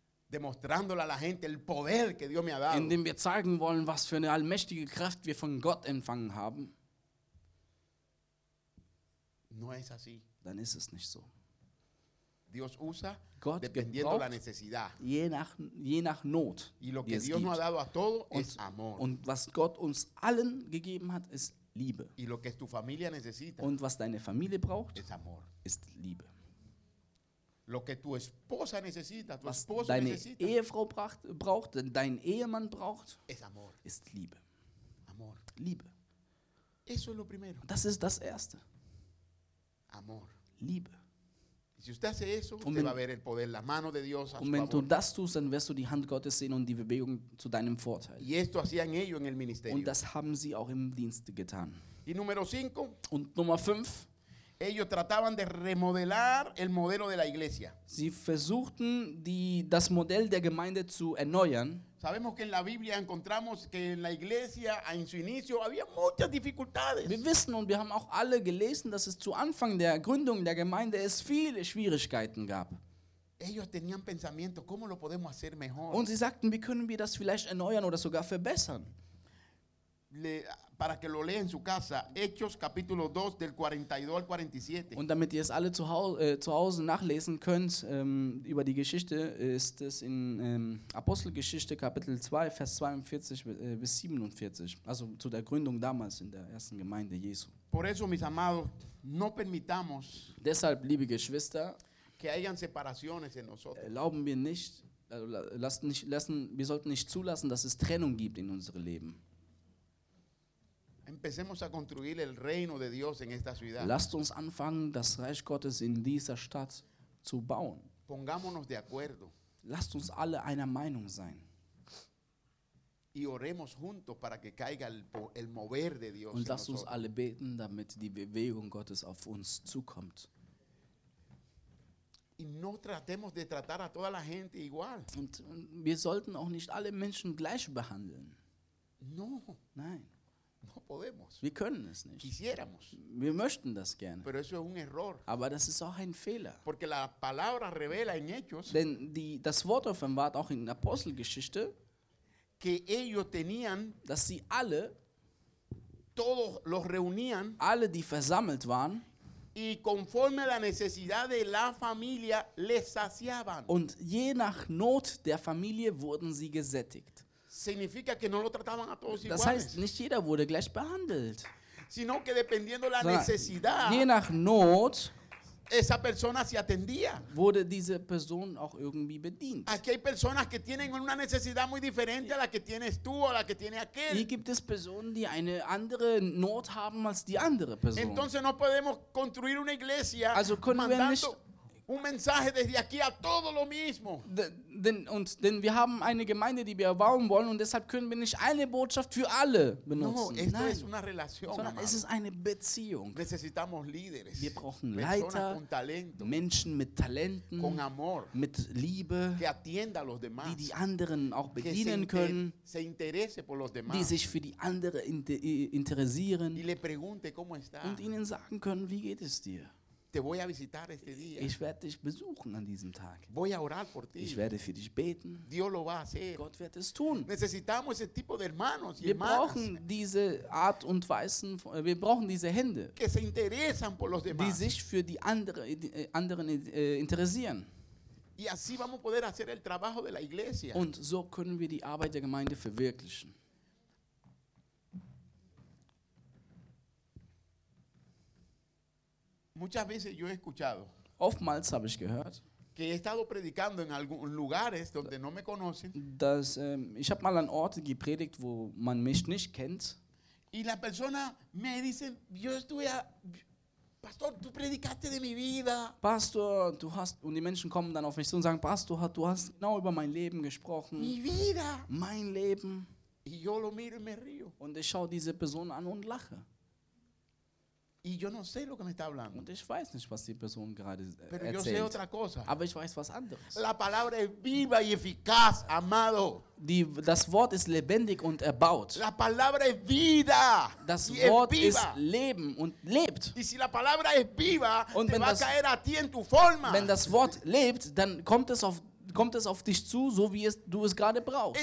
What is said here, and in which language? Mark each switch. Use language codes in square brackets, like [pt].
[es] Demostrándole a la gente el poder que Dios me ha dado. [de] Indem wir zeigen wollen, was für eine allmächtige Kraft wir von Gott empfangen haben. [es] No es así. [de] Dann ist es nicht so. [es] Dios usa [de] Gott [es] dependiendo [de] gebraucht, [es] la necesidad. [de] Je nach Not. [es] Y lo que Dios nos ha dado a todos es amor. [de] Und was Gott uns allen gegeben hat, ist Liebe. [es] Y lo que tu familia necesita. [de] Und was deine Familie braucht, [es] es amor. [de] Ist Liebe. [es] Lo que tu esposa necesita, tu [de] was [es] esposo [de] deine [es] necesita, [de] Ehefrau braucht, dein Ehemann braucht, [es] es amor. [de] Ist Liebe. [es] Amor. [de] Liebe. [es] Eso es lo primero. [de] Das ist das Erste. [es] Amor. [de] Liebe. [es] Si usted hace eso, usted [de] wenn, [es] va a ver el poder, la mano de Dios a [de] und [es] su favor. [de] Du das tust, dann wirst du die Hand Gottes sehen und die Bewegung zu deinem Vorteil. [es] Y esto hacían ellos en el ministerio. [de] Und das haben sie auch im Dienst getan. [es] Y número cinco, [de] und Nummer 5. [es] Ellos trataban de remodelar el modelo de la iglesia. [de] Sie versuchten, das Modell der Gemeinde zu erneuern. [es] Sabemos que en la Biblia encontramos que en la iglesia en su inicio había muchas dificultades. [de] Wir wissen und wir haben auch alle gelesen, dass es zu Anfang der Gründung der Gemeinde es viele Schwierigkeiten gab. [es] Ellos tenían pensamientos, ¿cómo lo podemos hacer mejor? [de] Und sie sagten, wie können wir das vielleicht erneuern oder sogar verbessern? [es] Para que lo lea en su casa, Hechos capítulo 2 del 42 al 47. [de] Und damit ihr es alle zu Hause nachlesen könnt, über die Geschichte ist es in Apostelgeschichte Kapitel 2 Vers 42 bis 47, also zu der Gründung damals in der ersten Gemeinde Jesu. [es] Por eso, mis amados, no permitamos. [de] Deshalb, liebe Geschwister, [es] que hayan separaciones en nosotros. [de] Erlauben wir nicht, wir sollten nicht zulassen, dass es Trennung gibt in unserem Leben. [es] Empecemos a construir el reino de Dios en esta ciudad. [de] Lasst uns anfangen, das Reich Gottes in dieser Stadt zu bauen. [es] Pongámonos de acuerdo. [de] Lasst uns alle einer Meinung sein. [es] Y oremos juntos para que caiga el mover de Dios. [de] Und lasst uns alle beten, damit die Bewegung Gottes auf uns zukommt. [es] Y no tratemos de tratar a toda la gente igual. [de] Und wir sollten auch nicht alle Menschen gleich behandeln. [es] No. [de] Nein. [es] No podemos. [de] Wir können es nicht. [es] Quisiéramos. [de] Wir möchten das gerne. [es] Pero eso es un error. [de] Aber das ist auch ein Fehler. [es] Porque la palabra revela en Hechos, [de] denn das Wort offenbart auch in Apostelgeschichte, [es] que ellos tenían, [de] dass sie alle, [es] todos los reunían, [de] alle, die versammelt waren, [es] y conforme a la necesidad de la familia, les saciaban. [de] Und je nach Not der Familie wurden sie gesättigt. [es] Significa que no lo trataban a todos [de] das [es] iguales. [de] Heißt, nicht jeder wurde gleich behandelt. [es] Sino que dependiendo la necesidad, [de] je nach Not [es] esa persona se atendía. [de] Wurde diese Person auch irgendwie bedient. [es] Aquí hay personas que tienen una necesidad muy diferente a la que tienes tú o la que tiene aquel. [de] Hier gibt es Personen, die eine andere Not haben als die andere Person. [es] Entonces no podemos construir una iglesia [de] also können [es] mandando [de] wir nicht [es] un mensaje desde aquí a todo lo mismo. [de] Denn wir haben eine Gemeinde, die wir erbauen wollen, und deshalb können wir nicht eine Botschaft für alle benutzen. [es] No, [de] nein, [es] es una relación, [de] sondern es ist eine Beziehung. [es] Necesitamos líderes, [de] wir brauchen Leiter, [es] con talento, [de] Menschen mit Talenten, [es] con amor, [de] mit Liebe, [es] que atienda a los demás, [de] die anderen auch bedienen [es] que se [de] können, [es] se interese por los demás, [de] die sich für die anderen interessieren [es] y le pregunte, cómo está. [de] Und ihnen sagen können, wie geht es dir? [es] Te voy a visitar este día. [de] Ich werde dich besuchen an diesem Tag. [es] Voy a orar por ti. [de] Ich werde für dich beten. [es] Dios lo va a hacer. [de] Gott wird es tun. [es] Necesitamos ese tipo de hermanos y hermanas. [de] Wir brauchen diese Art und Weisen, wir brauchen diese Hände, [es] que se interesan por los demás. [de] Die sich für die anderen interessieren. [es] Y así vamos a poder hacer el trabajo de la iglesia. [de] Und so können wir die Arbeit der Gemeinde verwirklichen. [es] Muchas veces yo he escuchado. [de] Oftmals habe ich gehört. [es] Que he estado predicando en algunos lugares donde no me conocen. [de] Dass ich habe mal an Orte gepredigt, wo man mich nicht kennt. [es] Y la persona me dice, yo estuve a Pastor, tú predicaste de mi vida. [de] Pastor, du hast, und die Menschen kommen dann auf mich zu und sagen, Pastor, du hast genau über mein Leben gesprochen. [es] Mi vida. [de] Mein Leben. [es] Y yo lo miro y me río. [de] Und ich schaue diese Person an und lache. [es] Y yo no sé lo que me está hablando. [de] Und ich weiß nicht, was die Person gerade [es] Pero [de] erzählt. [es] Yo sé otra cosa. [de] Aber ich weiß was anderes. [es] La palabra es viva y eficaz, amado. [de] Das Wort ist lebendig und erbaut. [es] La palabra es vida. [de] Das Wort ist Leben und lebt. [es] Y si la palabra es viva, [de] und [es] te va a caer a ti en tu forma. [de] Wenn das Wort lebt, dann kommt es auf dich zu, so wie es, du es gerade brauchst.